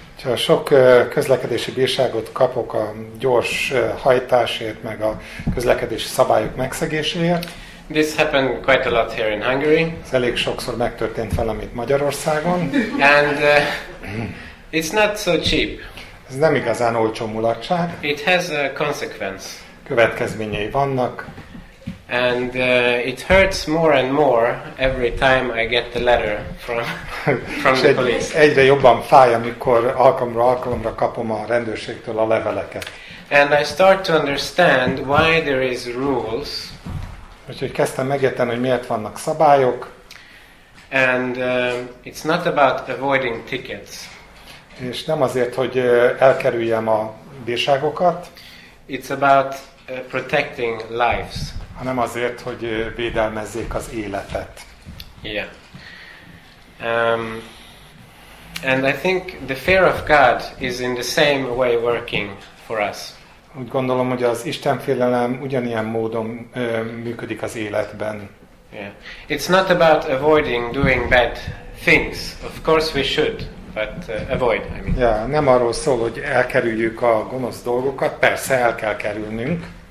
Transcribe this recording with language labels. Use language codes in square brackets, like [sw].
[hu] Ha sok közlekedési bírságot kapok a gyors hajtásért, meg a közlekedési szabályok megszegéséért. [en] This happened quite a lot here in Hungary. [hu] Ez elég sokszor megtörtént velem itt Magyarországon. [en] And it's not so cheap. [hu] Ez nem igazán olcsó mulatság. [en] It has a consequence. [hu] Következményei vannak. [en] And it hurts more and more every time I get the letter from the police. [hu] Egyre jobban fáj, amikor alkalomra kapom a rendőrségtől a leveleket. [en] And I start to understand why there is rules. [hu] Úgyhogy kezdtem megérteni, hogy miért vannak szabályok. [en] And it's not about avoiding tickets. [hu] És nem azért, hogy elkerüljem a bírságokat. [en] It's about protecting lives. [hu] Hanem azért, hogy védelmezzék az életet. [en] Yeah. And I think the fear of God is in the same way working for us. [hu] Úgy gondolom, hogy az Istenfélelem ugyanilyen módon működik az életben. [en] Yeah. It's not about avoiding doing bad things. Of course we should, but avoid, I mean. [hu] Yeah, nem arról szól, hogy elkerüljük a gonosz dolgokat. Persze el kell kerülnünk.